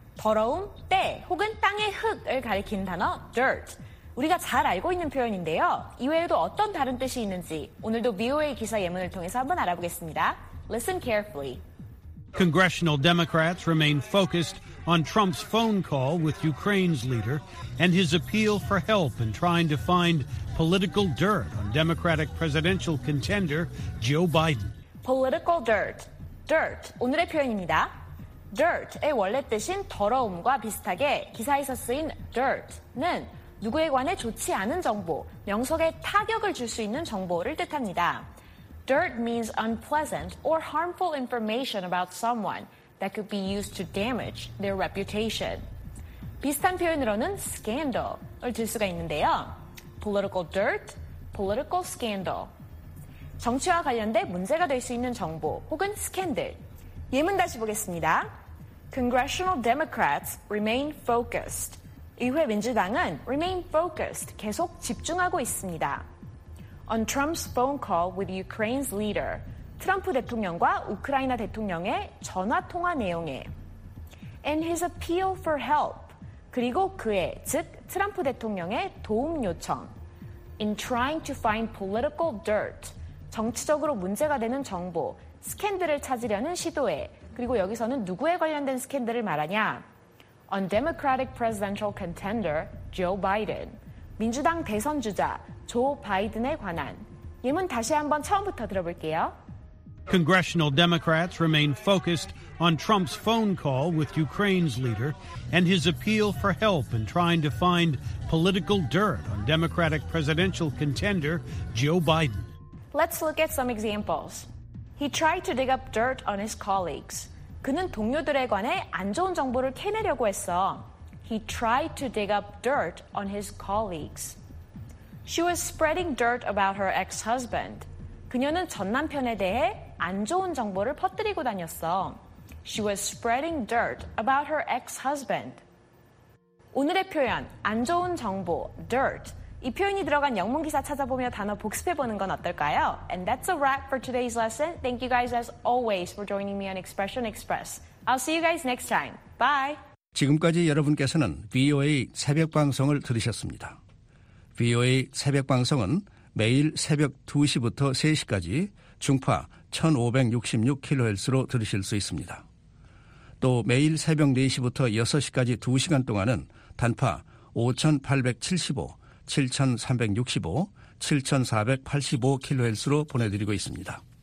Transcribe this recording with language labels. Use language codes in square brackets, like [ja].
[ko] 더러움, 때 혹은 땅의 흙을 가리키는 단어 dirt. 우리가 잘 알고 있는 표현인데요. 이외에도 어떤 다른 뜻이 있는지 오늘도 VOA 기사 예문을 통해서 한번 알아보겠습니다. [en] Listen carefully. Congressional Democrats remain focused on Trump's phone call with Ukraine's leader and his appeal for help in trying to find political dirt on Democratic presidential contender Joe Biden. Political dirt. Dirt. [ko] 오늘의 표현입니다. Dirt의 원래 뜻인 더러움과 비슷하게 기사에서 쓰인 dirt는 누구에 관해 좋지 않은 정보, 명석에 타격을 줄 수 있는 정보를 뜻합니다. [en] Dirt means unpleasant or harmful information about someone that could be used to damage their reputation. [ko] 비슷한 표현으로는 scandal을 들 수가 있는데요. [en] Political dirt, political scandal. [ko] 정치와 관련돼 문제가 될 수 있는 정보 혹은 scandal. 예문 다시 보겠습니다. [en] Congressional Democrats remain focused. [ko] 의회 민주당은 [en] remain focused, [ko] 계속 집중하고 있습니다. [en] On Trump's phone call with Ukraine's leader. [ko] 트럼프 대통령과 우크라이나 대통령의 전화 통화 내용에. [en] And his appeal for help. [ko] 그리고 그의, 즉 트럼프 대통령의 도움 요청. [en] In trying to find political dirt. [ko] 정치적으로 문제가 되는 정보, 스캔들을 찾으려는 시도에. 그리고 여기서는 누구에 관련된 스캔들을 말하냐. [en] On Democratic presidential contender Joe Biden. [ko] 민주당 대선 주자 조 바이든에 관한. 예문 다시 한번 처음부터 들어볼게요. [en] Congressional Democrats remain focused on Trump's phone call with Ukraine's leader and his appeal for help in trying to find political dirt on Democratic presidential contender Joe Biden. Let's look at some examples. He tried to dig up dirt on his colleagues. [ko] 그는 동료들에 관해 안 좋은 정보를 캐내려고 했어. [en] He tried to dig up dirt on his colleagues. She was spreading dirt about her ex-husband. [ko] 그녀는 전 남편에 대해 안 좋은 정보를 퍼뜨리고 다녔어. [en] She was spreading dirt about her ex-husband. [ko] 오늘의 표현, 안 좋은 정보, dirt. 이 표현이 들어간 영문 기사 찾아보며 단어 복습해보는 건 어떨까요? [en] And that's a wrap for today's lesson. Thank you guys as always for joining me on Expression Express. I'll see you guys next time. Bye. [ko] 지금까지 여러분께서는 VOA 새벽 방송을 들으셨습니다. VOA 새벽 방송은 매일 새벽 2시부터 3시까지 중파 1566kHz로 들으실 수 있습니다. 또 매일 새벽 4시부터 6시까지 2시간 동안은 단파 5875, 7365, 7485kHz로 보내드리고 있습니다.